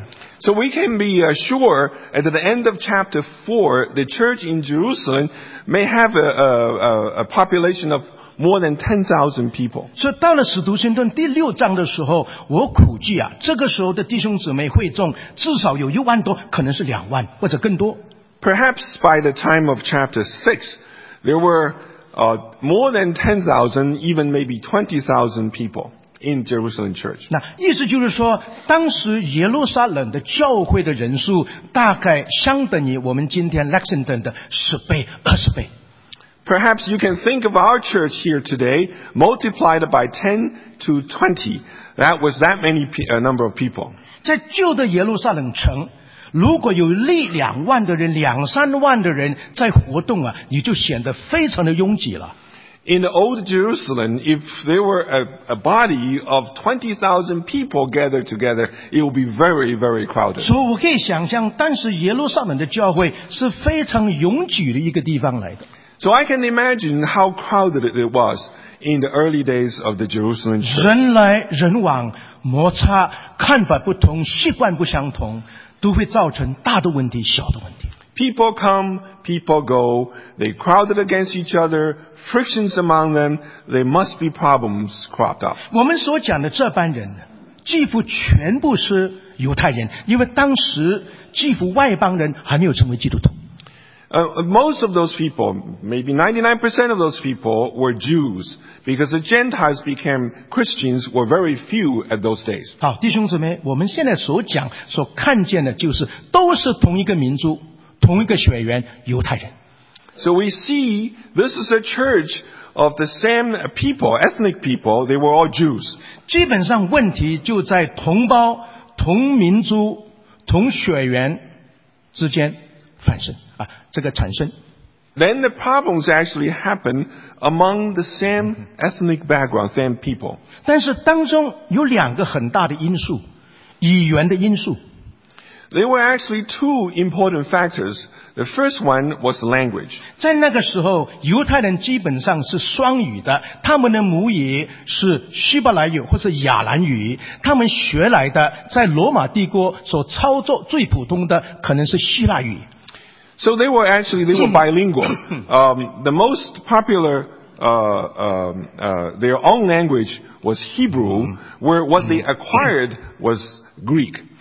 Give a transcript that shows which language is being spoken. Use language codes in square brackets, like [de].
[zh] 了。 [en] So we can be sure at the end of chapter 4 the church in Jerusalem may have a population of more than 10,000 people. [zh] 所以到了使徒行传第六章的时候，我估计啊，这个时候的弟兄姊妹会众至少有10,000多，可能是20,000或者更多。 [en] Perhaps by the time of chapter 6, there were more than 10,000, even maybe 20,000 people in Jerusalem church. [zh] 那意思就是说，当时耶路撒冷的教会的人数大概相等于我们今天 Lexington 的10倍、20倍。 [en] Perhaps you can think of our church here today, multiplied by 10 to 20. That was that many number of people. [zh] 在旧的耶路撒冷城，如果有1-2万的人、2-3万的人在活动啊，你就显得非常的拥挤了。 [en] In the old Jerusalem, if there were a body of 20,000 people gathered together, it would be very, very crowded. [zh] 所以我可以想象，当时耶路撒冷的教会是非常拥挤的一个地方来的。 [en] So I can imagine how crowded it was in the early days of the Jerusalem church. [zh] 人来人往，摩擦，看法不同，习惯不相同，都会造成大的问题，小的问题。 [en] People come, people go, they crowded against each other, frictions among them, there must be problems cropped up. [zh] 我们所讲的这班人几乎全部是犹太人，因为当时几乎外邦人还没有成为基督徒。 [en] Most of those people, maybe 99% of those people were Jews, because the Gentiles became Christians were very few at those days. [zh] 好，弟兄姊妹，我们现在所讲所看见的就是都是同一个民族，同一个血缘，犹太人。 [en] So we see this is a church of the same people, ethnic people, they were all Jews. [zh] 基本上问题就在同胞、同民族、同血缘之间发生。这个产生 [en] Then the problems actually happen among the same ethnic background, same people. [zh] 但是当中有两个很大的因素，语言的因素。 [en] There were actually two important factors. The first one was language. [zh] 在那个时候，犹太人基本上是双语的，他们的母语是希伯来语或是亚兰语，他们学来的在罗马帝国所操作最普通的可能是希腊语。 [en] So they were actually, they were bilingual. The most popular, their own language was Hebrew, where what they acquired was Greek.